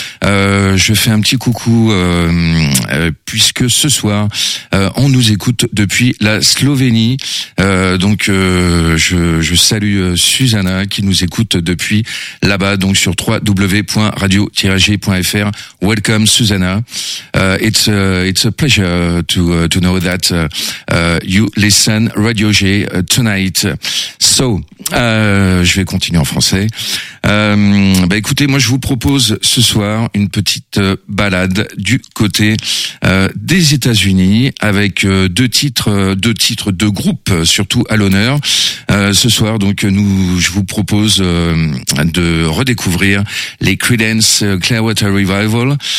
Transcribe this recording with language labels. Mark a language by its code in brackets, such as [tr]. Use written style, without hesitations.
[fr] Je fais un petit coucou, puisque ce soir, on nous écoute depuis la Slovénie. Je salue Susanna qui nous écoute depuis là-bas, donc sur www.radio-g.fr. [en] Welcome, Susanna. It's a pleasure to know that you listen Radio G tonight. [fr] So, je vais continuer en français. Écoutez, moi je vous propose ce soir une petite balade du côté des États-Unis avec deux groupes surtout à l'honneur. Ce soir donc je vous propose de redécouvrir les Creedence Clearwater Revival.